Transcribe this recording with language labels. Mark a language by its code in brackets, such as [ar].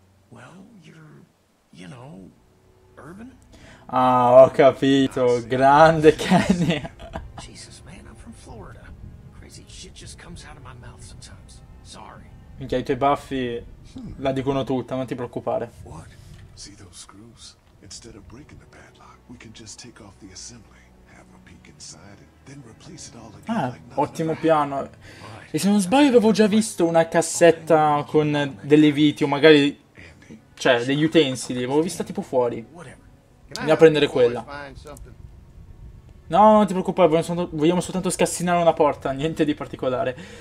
[en] Well, you're, you know, urban. [it] Ah, ho capito, grande Kenny. [en] Jesus, man, I'm from Florida. Crazy shit just comes out of my mouth sometimes. Sorry. [it] Minchia, i tuoi baffi la dicono tutta, non ti preoccupare. [en] What? See those screws? Instead of breaking the padlock, we can just take off the assembly, have a peek inside, and then replace it all again. [it] Ah, ottimo piano. E se non sbaglio avevo già visto una cassetta con delle viti, o magari, cioè, degli utensili, l'avevo vista tipo fuori. Andiamo a prendere quella. No, non ti preoccupare, vogliamo soltanto scassinare una porta, niente di particolare.